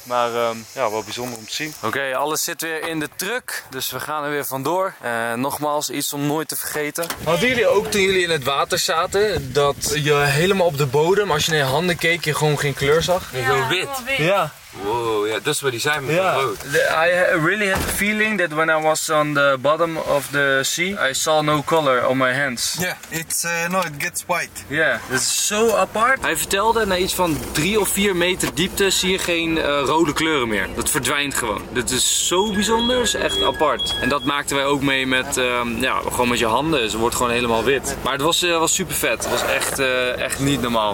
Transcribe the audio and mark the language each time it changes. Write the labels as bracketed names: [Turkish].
[Dutch] Maar ja, wel bijzonder om te zien. Oké, alles zit weer in de truck. Dus we gaan er weer vandoor. Nogmaals, iets om nooit te vergeten. Hadden jullie ook toen jullie in het water zaten, dat je helemaal op de bodem, als je naar je handen keek, je gewoon geen kleur zag. Ja, heel wit. Ja. Wow, ja, dat is wat hij zei met rood. [English] I really had a feeling that when I was on the bottom of the sea, I saw no color on my hands. Yeah, it's no, it gets white. Yeah, it's so apart. [Dutch] Hij vertelde, na iets van 3 of 4 meter diepte zie je geen rode kleuren meer. Dat verdwijnt gewoon. Dat is zo bijzonder, is echt apart. En dat maakten wij ook mee met, ja, gewoon met je handen. Ze wordt gewoon helemaal wit. Maar het was super vet. Het was echt niet normaal.